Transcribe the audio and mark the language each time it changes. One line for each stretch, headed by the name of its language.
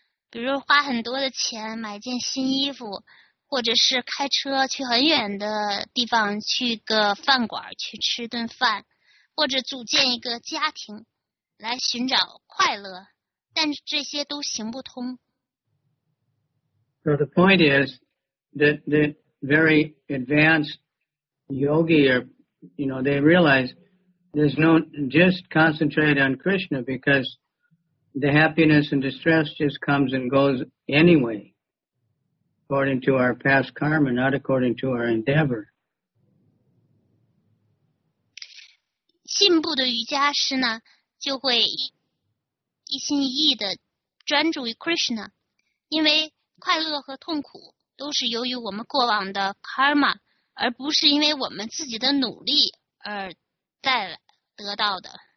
Chinese: 比如花很多的钱买件新衣服，或者是开车去很远的地方去个饭馆去吃顿饭，或者组建一个家庭来寻找快乐，但是这些都行不通。
English: So the point is that the very advanced yogi, or you know, they realize there's no just concentrate on Krishna because. The happiness and distress just comes and goes anyway, according to our past karma, not according to our endeavor.
Chinese: 进步的瑜伽师呢，就会一心一意的专注于 Krishna, 因为快乐和痛苦都是由于我们过往的 karma, 而不是因为我们自己的努力而带得到的。